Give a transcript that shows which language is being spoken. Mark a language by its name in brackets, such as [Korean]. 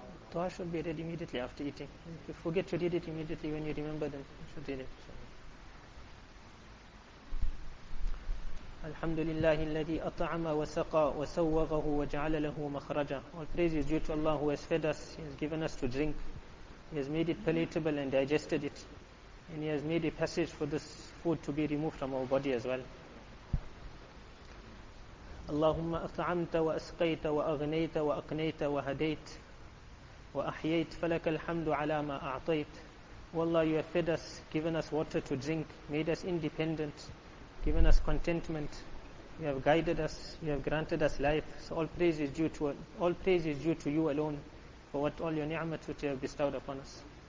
[English] Dua should be read immediately after eating. If you forget to read it immediately when you remember, then you should read it. [Arabic] الحمد لله الذي أطعم وسقى وسوغه وجعل له مخرجا. [English] All praise is due to Allah who has fed us, he has given us to drink, he has made it palatable and digested it, and he has made a passage for this food to be removed from our body as well. [Arabic] اللهم أطعمت وأسقيت وأغنيت وأقنيت وهديت وأحييت فلك الحمد على ما أعطيت. [English] Allah, you have fed us, given us water to drink, made us independent, given us contentment, you have guided us, you have granted us life. So all praise is due to you alone for what all your ni'mat which you have bestowed upon us.